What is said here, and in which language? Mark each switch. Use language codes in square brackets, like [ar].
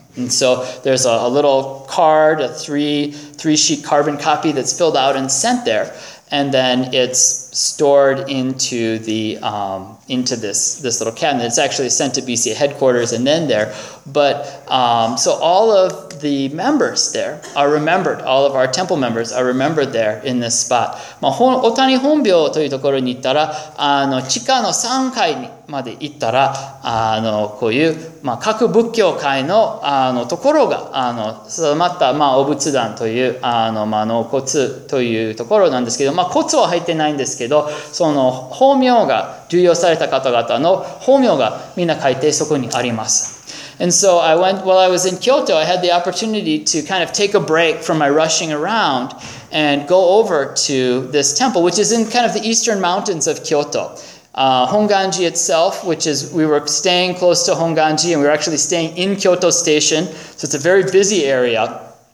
[en] And so there's a little card, a three sheet carbon copy that's filled out and sent there. And then it's stored into the into this little cabinet. It's actually sent to BCA headquarters and then there. But so all of the members there are remembered. All of our temple members are remembered there in this spot. [ja] Otani Honbyo というところに行ったら、地下の3階にまで行ったら、こういう各仏教界のところが定まった、お仏壇という納骨というところなんですけど、骨は入ってないんですけど、その法名が重要された方々の法名がみんな書いてそこにあります。 [en] And so I went, while I was in Kyoto, I had the opportunity to kind of take a break from my rushing around and go over to this temple, which is in kind of the eastern mountains of Kyoto. Honganji itself, which is, we were staying close to Honganji and we were actually staying in Kyoto Station, so it's a very busy area.